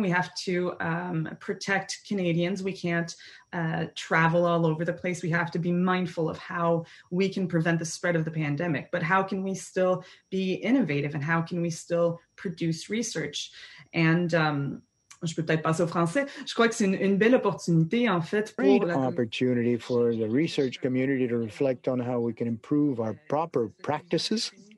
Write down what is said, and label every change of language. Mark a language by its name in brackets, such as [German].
[English] We have to protect Canadians. We can't travel all over the place. We have to be mindful of how we can prevent the spread of the pandemic. But how can we still be innovative and how can we still produce research? [French] And je peux peut-être passer au français. Je crois que c'est une belle opportunité, en fait, pour la... [English] opportunity for the research community to reflect on how we can improve our proper practices.